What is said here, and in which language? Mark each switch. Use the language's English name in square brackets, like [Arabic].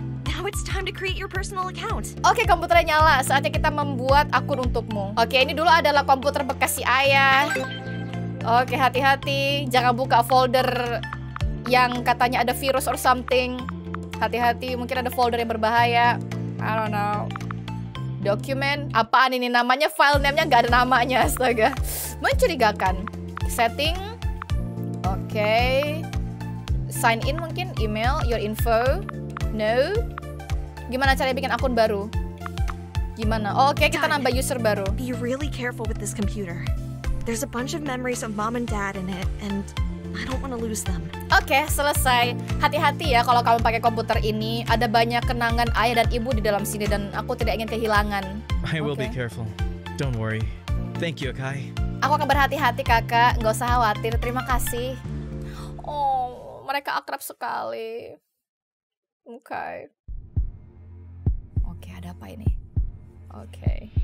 [English] Now it's time to create your personal account. [Indonesian] Oke, okay, komputernya nyala. Saatnya kita membuat akun untukmu. Oke, okay, ini dulu adalah komputer bekas si ayah. Oke, okay, hati-hati. Jangan buka folder yang katanya ada virus [English] or something. [Indonesian] Hati-hati, mungkin ada folder yang berbahaya. [English] I don't know. [Indonesian] Dokumen, apaan ini namanya, file name-nya gak ada namanya, astaga. Mencurigakan. Setting. Oke, okay. [English] Sign in mungkin, email, your info. [Indonesian] No. Gimana cara bikin akun baru? Gimana? Oh, oke, okay, kita nambah user baru. [English] Be really careful with this computer. There's a bunch of memories of mom and dad in it, and I don't want to lose them. [Indonesian] Oke, okay, selesai. Hati-hati ya kalau kamu pakai komputer ini. Ada banyak kenangan ayah dan ibu di dalam sini dan aku tidak ingin kehilangan. [English] I will okay. Be careful. Don't worry. Thank you, Akai. [Indonesian] Aku akan berhati-hati, Kakak. Enggak usah khawatir. Terima kasih. Oh, mereka akrab sekali. Oke. Okay. Oke, okay, ada apa ini? Oke. Okay.